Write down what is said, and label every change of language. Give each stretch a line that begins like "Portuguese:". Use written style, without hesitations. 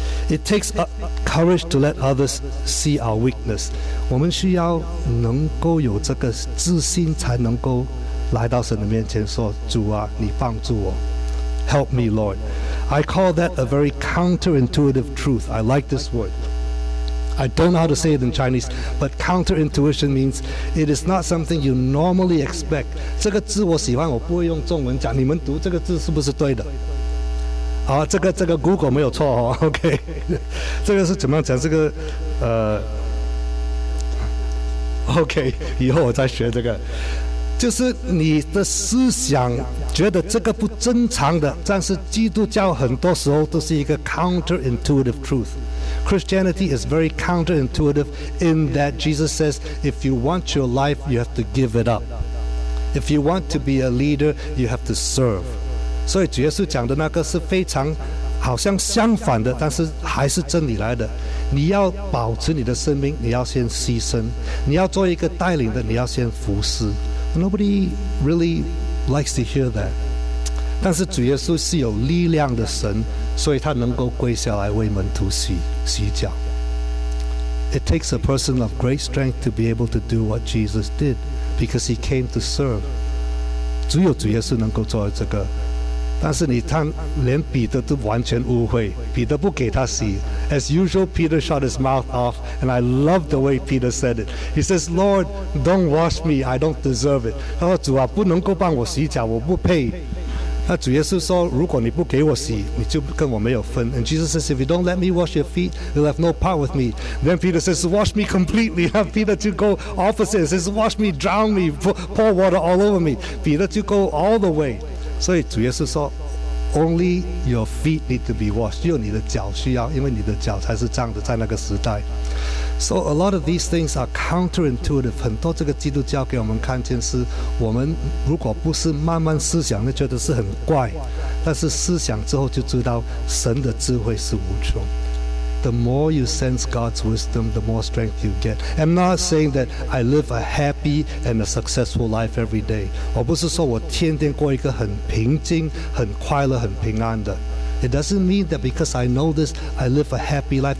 English: It takes courage to let others see our weakness.
Chinese: 我们需要能够有这个自信，才能够来到神的面前说：“主啊，你帮助我。”
English: Help me, Lord. I call that a very counterintuitive truth. I like this word. I don't know how to say it in Chinese, but counterintuition means it is not something you normally expect.
Chinese: 这个字我喜欢，我不会用中文讲。你们读这个字是不是对的？啊，这个 Google 没有错哦。OK， 这个是怎么样讲？这个OK， 以后我再学这个。就是你的思想觉得这个不正常的，但是基督教很多时候都是一个 counterintuitive truth.
English: Christianity is very counterintuitive in that Jesus says, if you want your life, you have to give it up. If you want to be a leader, you have to serve.
Chinese: 所以主耶稣讲的那个是非常好像相反的，但是还是真理来的。你要保持你的生命，你要先牺牲；你要做一个带领的，你要先服侍。
English: Nobody really likes to hear that.
Chinese: 但是主耶稣是有力量的神，所以他能够跪下来为门徒洗脚。
English: It takes a person of great strength to be able to do what Jesus did, because he came to serve.
Chinese: 只有主耶稣能够做这个。但是你看，连彼得都完全误会，彼得不给他洗。
English: As usual, Peter shut his mouth off, and I love the way Peter said it. He says, Lord, don't wash me, I don't deserve it.
Chinese: 他说，主啊，不能够帮我洗脚，我不配。那主耶稣说，如果你不给我洗，你就跟我没有分。
English: And Jesus says, if you don't let me wash your feet, you'll have no part with me. Then Peter says, wash me completely. And Peter to go opposite, he says, wash me, drown me, pour water all over me. Peter to go all the way.
Chinese: 所以主耶稣说
English: ，Only your feet need to be washed.
Chinese: 只有你的脚需要，因为你的脚才是脏的，在那个时代。
English: So a lot of these things are counterintuitive.
Chinese: 很多这个基督教给我们看见是，我们如果不是慢慢思想，就觉得是很怪。但是思想之后就知道，神的智慧是无穷。
English: The more you sense God's wisdom, the more strength you get. I'm not saying that I live a happy and a successful life every day.
Chinese: 我不是说我天天过一个很平静、很快乐、很平安的。
English: It doesn't mean that because I know this, I live a happy life.